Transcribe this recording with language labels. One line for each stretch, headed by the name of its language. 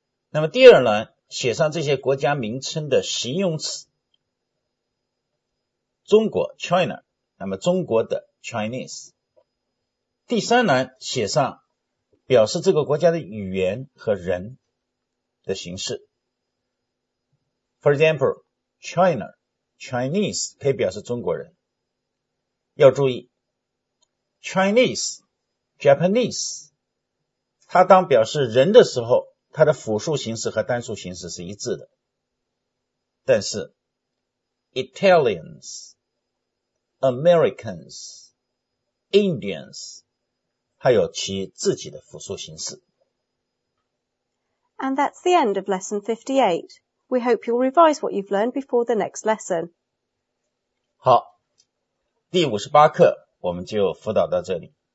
Chinese: 那么第二栏写上这些国家名称的形容词。中国 China, 那么中国的 Chinese. 第三栏写上表示这个国家的语言和人的形式。
English: For example,
Chinese: China, Chinese 可以表示中国人。要注意 ,Chinese, Japanese, 它当表示人的时候它的复数形式和单数形式是一致的。但是 ,Italians, Americans, Indians, 它有其自己的复数形式。
English: And that's the end of lesson 58. We hope you'll revise what you've learned before the next lesson.
Chinese: 好，第58课我们就辅导到这里。